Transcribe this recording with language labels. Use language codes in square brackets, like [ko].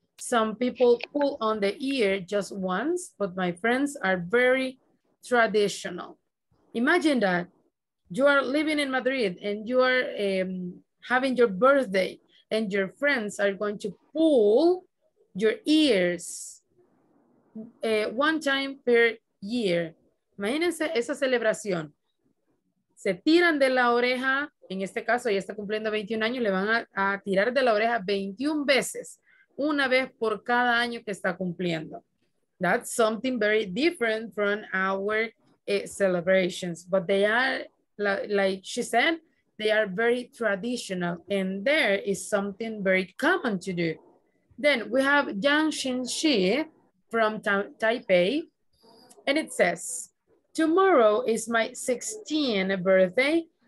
[en] Some people pull on the ear just once, but my friends are very traditional. Imagine that you are living in Madrid and you are having your birthday and your friends are going to pull your ears one time per year. [es] Imagínense esa celebración. Se tiran de la oreja, en este caso ya está cumpliendo 21 años, le van a tirar de la oreja 21 veces, una vez por cada año que está cumpliendo. [en] That's something very different from our celebrations, but they are, like she said, they are very traditional, and there is something very common to do. Then we have Yang Xinxi from Taipei, and it says, tomorrow is my 16th birthday.